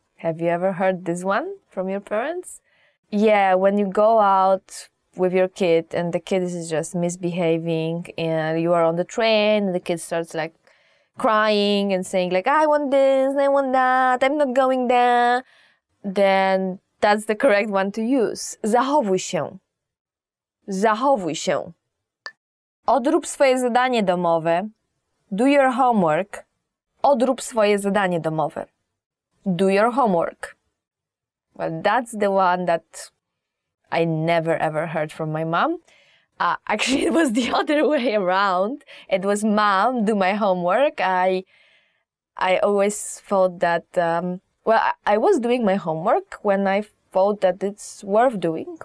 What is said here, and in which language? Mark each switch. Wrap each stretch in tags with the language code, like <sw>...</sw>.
<en>Have you ever heard this one from your parents? Yeah, when you go out with your kid and the kid is just misbehaving and you are on the train and the kid starts like crying and saying like, I want this, I want that, I'm not going there, then that's the correct one to use.</en> <pl>Zachowuj się. Zachowuj się. Odrób swoje zadanie domowe.</pl> <en>Do your homework.</en> <pl>Odrób swoje zadanie domowe.</pl> <en>Do your homework. Well, that's the one that I never ever heard from my mom. Actually, it was the other way around. It was mom, do my homework. I always thought that, I was doing my homework when I thought that it's worth doing.</en>